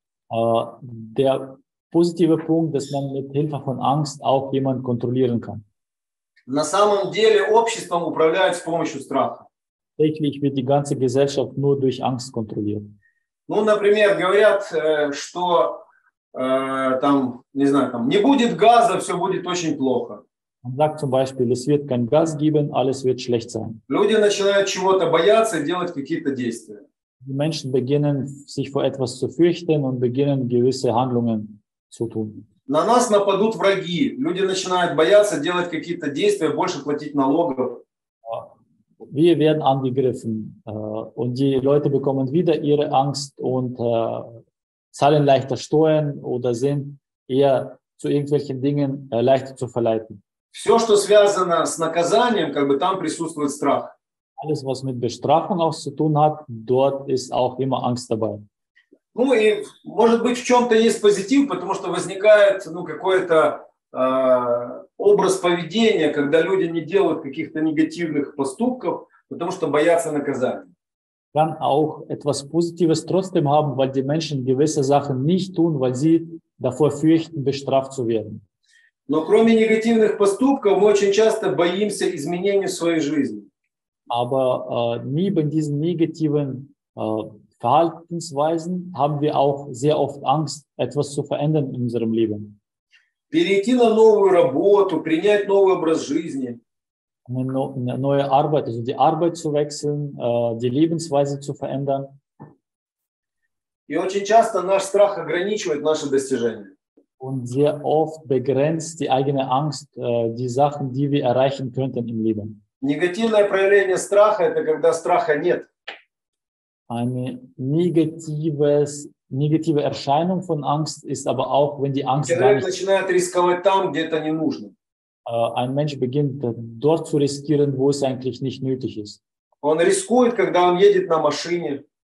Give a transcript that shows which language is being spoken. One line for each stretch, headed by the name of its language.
German: Der positive Punkt, dass man mit Hilfe von Angst auch jemanden kontrollieren kann.
Russian: На самом деле обществом управляют с помощью страха.
German: Tatsächlich wird die ganze Gesellschaft nur durch Angst kontrolliert.
Russian: Ну, например, говорят, что там, не знаю, там не будет газа, все будет очень плохо.
German: Man sagt zum Beispiel, es wird kein Gas geben, alles wird schlecht sein.
Russian: Люди начинают чего-то бояться, делать какие-то действия.
German: Die Menschen beginnen, sich vor etwas zu fürchten und beginnen, gewisse Handlungen zu tun.
Russian: На нас нападут враги. Люди начинают бояться делать какие-то действия, больше платить налогов.
German: Wir werden angegriffen. Und die Leute bekommen wieder ihre Angst und zahlen leichter Steuern oder sind eher zu irgendwelchen Dingen leichter zu verleiten.
Russian: Все, что связано с наказанием, как бы там присутствует страх.
German: Alles, was mit Bestrafung auch zu tun hat, dort ist auch immer Angst dabei.
Russian: Ну и, может быть, в чем-то есть позитив, потому что возникает, ну, какой-то образ поведения, когда люди не делают каких-то негативных поступков, потому что боятся наказания.
German: Kann auch etwas Positives trotzdem haben, weil die Menschen gewisse Sachen nicht tun, weil sie davor fürchten, bestraft zu werden.
Russian: Но кроме негативных поступков, мы очень часто боимся изменений в своей жизни.
German: Aber neben diesen negativen Verhaltensweisen haben wir auch sehr oft Angst, etwas zu verändern in unserem Leben.
Russian: Перейти на новую работу, принять новый образ жизни.
German: Eine neue Arbeit, also die Arbeit zu wechseln, die Lebensweise zu verändern.
Russian: И очень часто наш страх ограничивает наши достижения.
German: Und sehr oft begrenzt die eigene Angst die Sachen, die wir erreichen könnten im Leben.
Russian: Негативное проявление страха – это когда страха нет.
German: Eine negative Erscheinung von Angst ist aber auch, wenn die Angst gar nicht...
Russian: начинает рисковать там, где это не нужно.
German: Ein Mensch beginnt dort zu riskieren, wo es eigentlich nicht nötig ist.
Russian: Он рискует, когда он едет на машине.